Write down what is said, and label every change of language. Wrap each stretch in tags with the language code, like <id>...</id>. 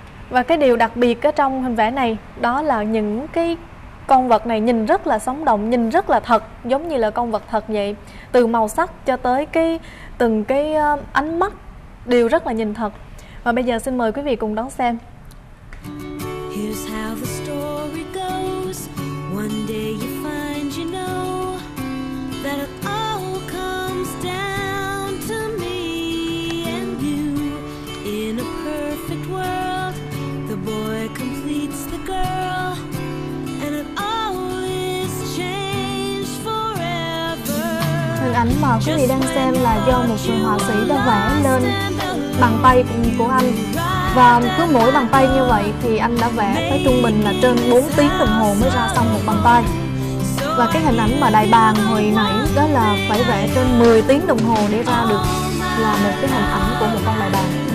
<vi>Và cái điều đặc biệt ở trong hình vẽ này đó là những cái con vật này nhìn rất là sống động, nhìn rất là thật, giống như là con vật thật vậy. Từ màu sắc cho tới cái từng cái ánh mắt đều rất là nhìn thật. Và bây giờ xin mời quý vị cùng đón xem.</vi> <en>Here's how the story goes. One day you find you know that it all comes down to me and you. In a perfect world, the boy completes the girl. And it all is changed forever.</en> <vi>Hình ảnh mà quý vị đang xem là do một người họa sĩ đã vẽ lên bàn tay của anh. Và cứ mỗi bàn tay như vậy thì anh đã vẽ tới trung bình là trên 4 tiếng đồng hồ mới ra xong một bàn tay. Và cái hình ảnh mà đại bàng hồi nãy đó là phải vẽ trên 10 tiếng đồng hồ để ra được là một cái hình ảnh của một con đại bàng.</vi>